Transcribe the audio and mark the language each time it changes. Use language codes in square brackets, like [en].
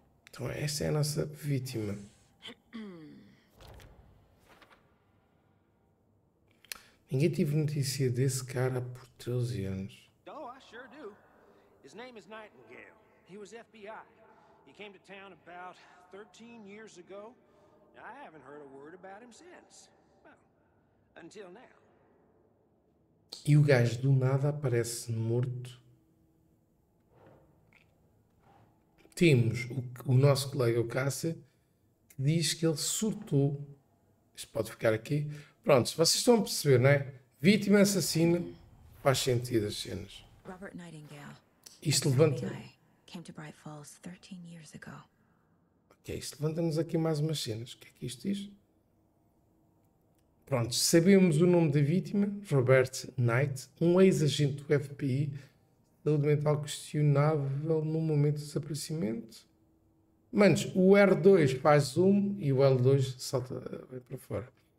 [pt] Então, essa é a nossa vítima. Ninguém teve notícia desse cara por 13 anos. [en] Oh, I sure do. His name is Nightingale. He was FBI. He came to town about 13 years ago. I haven't heard a word about him since. Well, until now. [pt] E o gajo do nada aparece morto. Temos o nosso colega, o Cássio, que diz que ele surtou. Isto pode ficar aqui. Pronto, vocês estão a perceber, não é? Vítima assassina, faz sentido as cenas. [en] Robert Nightingale, [pt] Isto levanta. [en] ex-FBI, came to Bright Falls 13 years ago. [pt] Ok, isto levanta-nos aqui mais umas cenas. O que é que isto diz? Pronto, sabemos o nome da vítima, Robert Knight, um ex-agente do FBI. Saúde mental questionável no momento do desaparecimento. Mas o R2 faz zoom e o L2 salta bem para fora.